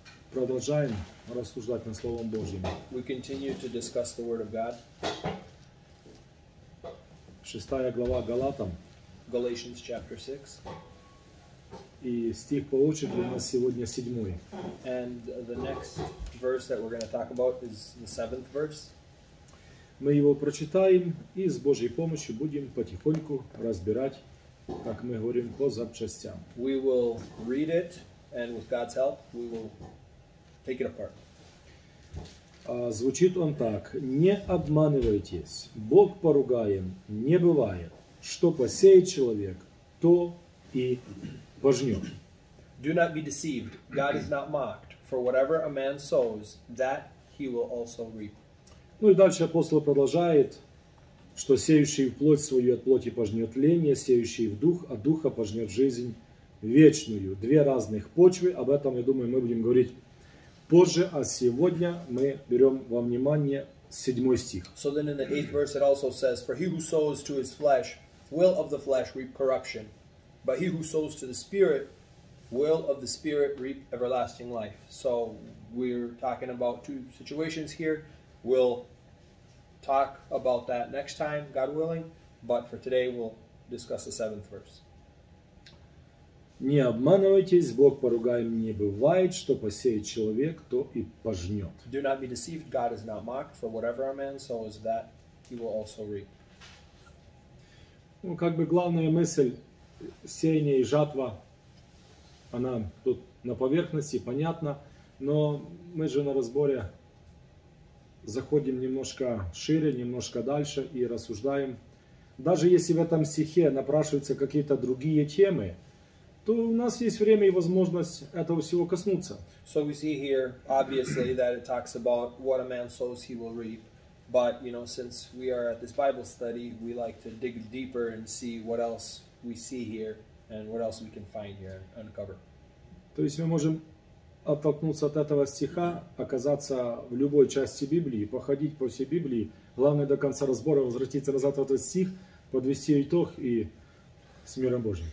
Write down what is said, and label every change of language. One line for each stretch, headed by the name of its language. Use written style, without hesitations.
Russian: Продолжаем рассуждать над Словом Божьим.
English: We continue to discuss the Word of God.
Russian: Шестая глава Галатам.
English: Galatians chapter 6.
Russian: И стих получше для нас сегодня седьмой.
English: And the next verse that we're going to talk about is the seventh verse.
Russian: Мы его прочитаем и с Божьей помощью будем потихоньку разбирать, как мы говорим, по запчастям.
English: We will read it, and with God's help, we will take it apart.
Russian: Звучит он так. Не обманывайтесь. Бог поругаем не бывает. Что посеет человек, то и пожнет.
English: Do not be deceived. God is not mocked. For whatever a man sows, that he will also reap.
Russian: Ну и дальше апостол продолжает, что сеющий в плоть свою от плоти пожнет ление, сеющий в дух от духа пожнет жизнь вечную. Две разных почвы, об этом, я думаю, мы будем говорить позже, а сегодня мы берем во внимание седьмой стих.
English: So then in the eighth verse it also says, for he who sows to his flesh will of the flesh reap corruption, but he who sows to the Spirit will of the Spirit reap everlasting life. So we're talking about two situations here. We'll talk about that next time, God willing, but for today we'll discuss the seventh verse.
Russian: Не обманывайтесь, Бог поругаем не бывает, что посеет человек, то и пожнет.
English: Do not be deceived, God is not mocked, for whatever a man sows, that he will also reap.
Russian: Ну, как бы главная мысль сеяния и жатва, она тут на поверхности, понятно, но мы же на разборе заходим немножко шире, немножко дальше и рассуждаем. Даже если в этом стихе напрашиваются какие-то другие темы, то у нас есть время и возможность этого всего коснуться.
English: So we see here, obviously, that it talks about what a man sows, he will reap. But, you know, since we are at this Bible study, we like to dig deeper and see what else we see here and what else we can find here and uncover.
Russian: То есть мы можем оттолкнуться от этого стиха, оказаться в любой части Библии, походить по всей Библии, главное до конца разбора возвратиться назад в этот стих, подвести итог и с миром Божьим.